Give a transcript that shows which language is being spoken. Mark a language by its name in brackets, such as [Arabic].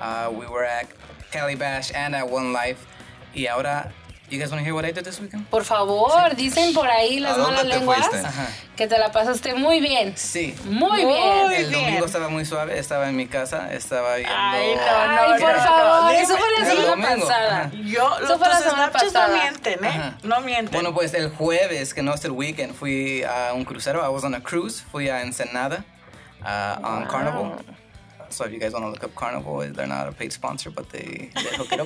[English] We were at Calibash and at One Life. [Spanish] Y ahora... [English] You guys want to hear what I did this weekend? [Spanish] Por favor, sí. Dicen por ahí las malas lenguas que te la pasaste muy bien. Sí. Muy bien. El domingo estaba muy suave, estaba en mi casa, estaba viendo... Ay, por favor, eso fue la semana pasada. Eso fue la semana pasada. No mienten, No mienten. Bueno, pues el jueves, que no es el weekend, fui a un crucero. [English] I was on a cruise. [Spanish] Fui a [English] Ensenada on Carnival. So if you guys want to look up Carnival, they're not a paid sponsor, but they hook it up.